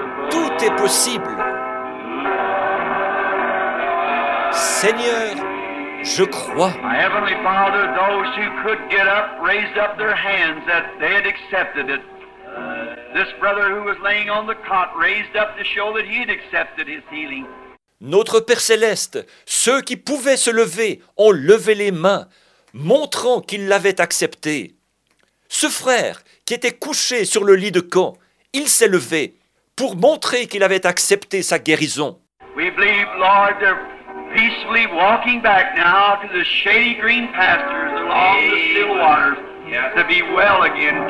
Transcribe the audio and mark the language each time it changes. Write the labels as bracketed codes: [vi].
[fr] Tout est possible. Seigneur, Je crois. [en] My Heavenly Father, those who could get up raised up their hands that they had accepted it. This brother who was laying on the cot raised up to show that he had accepted his healing. [fr] Notre Père Céleste, ceux qui pouvaient se lever ont levé les mains, montrant qu'ils l'avaient accepté. Ce frère qui était couché sur le lit de camp, il s'est levé pour montrer qu'il avait accepté sa guérison. [en] We believe, Lord, they're peacefully walking back now to the shady green pastures along the still waters to be well again.